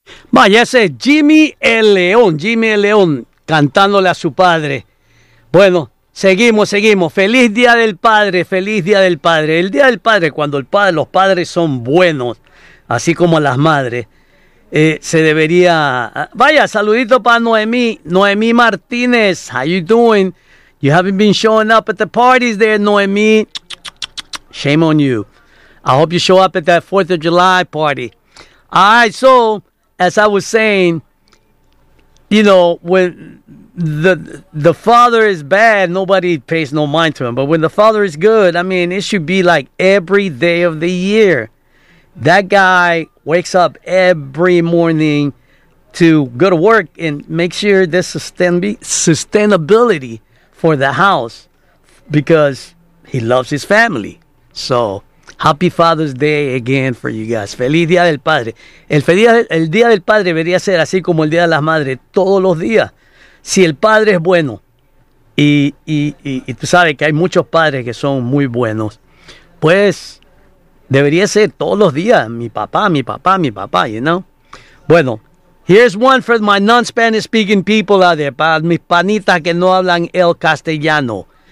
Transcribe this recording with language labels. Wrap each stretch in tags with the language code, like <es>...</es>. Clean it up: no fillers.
<es>Vaya, ese es Jimmy el León, Jimmy el León, cantándole a su padre. Bueno, seguimos, seguimos. Feliz Día del Padre, feliz Día del Padre. El Día del Padre, cuando los padres son buenos, así como las madres, se debería... Vaya, saludito para Noemí, Noemí Martínez.</es> <en>How you doing? You haven't been showing up at the parties there, Noemí. Shame on you. I hope you show up at that 4th of July party. All right, so, as I was saying, you know, when the father is bad, nobody pays no mind to him. But when the father is good, I mean, it should be like every day of the year. That guy wakes up every morning to go to work and make sure there's sustainability for the house because he loves his family. So, Happy Father's Day again for you guys.</en> <es>Feliz Día del Padre. El Día del Padre debería ser así como el Día de las Madres todos los días. Si el padre es bueno, y tú sabes que hay muchos padres que son muy buenos, pues debería ser todos los días. Mi papá, mi papá, mi papá,</es> <en>you know.</en> <es>Bueno,</es> <en>here's one for my non-Spanish speaking people out there.</en> <es>Para mis panitas que no hablan el castellano.</es>